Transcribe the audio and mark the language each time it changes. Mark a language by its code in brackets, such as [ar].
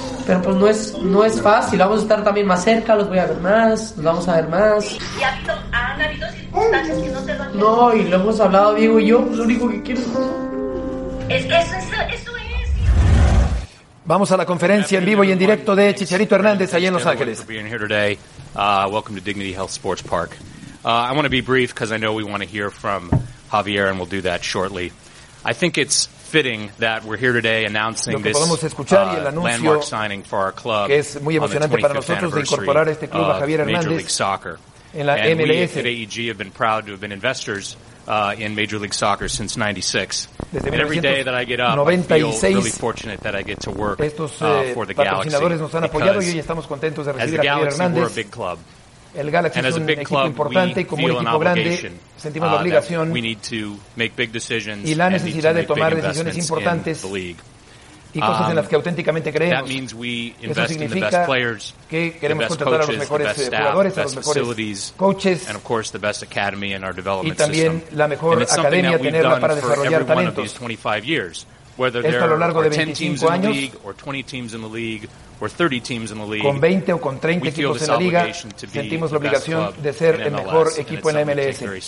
[es] Pero pues no es fácil, vamos a estar también más cerca, los voy a ver más, nos vamos a ver más. ¿Y han habido circunstancias que no te van a hacer? No, y lo hemos hablado Diego y yo, pues lo único que quiero es. Eso es. Vamos a la conferencia en vivo y en directo de Chicharito Hernández allá en Los Ángeles. [en] Welcome to Dignity Health Sports Park. I want to be brief because I know we want to hear from Javier, and we'll do that shortly. I think it's fitting that we're here today announcing this landmark signing for our club. [es] Que es muy emocionante para nosotros de incorporar este club a Javier Hernández en la MLS. [en] And we at AEG have been proud to have been investors in Major League Soccer since 96. And every day that I get up, I feel really fortunate that I get to work for the Galaxy. [es] Nos han apoyado y hoy estamos contentos de recibir a Javier Hernández. [en] We're a big club. [es] El Galaxy es un equipo importante y como un equipo grande sentimos la obligación y la necesidad de tomar decisiones importantes y cosas en las que auténticamente creemos. [en] That means we invest in the best players, [es] que queremos contratar a los mejores jugadores, a los mejores coaches, [en] and of course the best academy in our development system. [es] Y también la mejor academia tenerla para desarrollar talentos. Esto a lo largo de 25 años, [en] or 30 teams in the league, [es] con 20 o con 30 equipos en la liga, sentimos la obligación de ser el mejor equipo en la MLS.